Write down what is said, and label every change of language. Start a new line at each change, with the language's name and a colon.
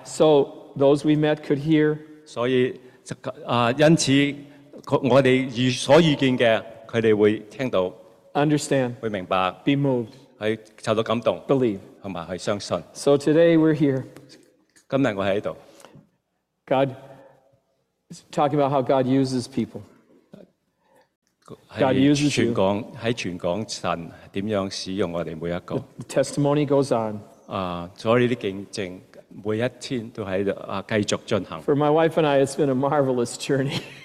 English: So those we met could hear.
Chinese: 所以因此我们所遇见的他们会听到,
English: understand,
Chinese: 会明白,
English: be moved,
Chinese: 受到感动,
English: believe,
Chinese: 和相信.
English: So today we're here.
Chinese: 今天我在这里,
English: God is talking about how God uses people. God uses 全港, you.
Chinese: 在全港, 神怎样使用我们每一个,
English: the testimony goes on.
Chinese: 所以这些见证, 每一天都在继续进行.
English: For my wife and I, it's been a marvelous journey.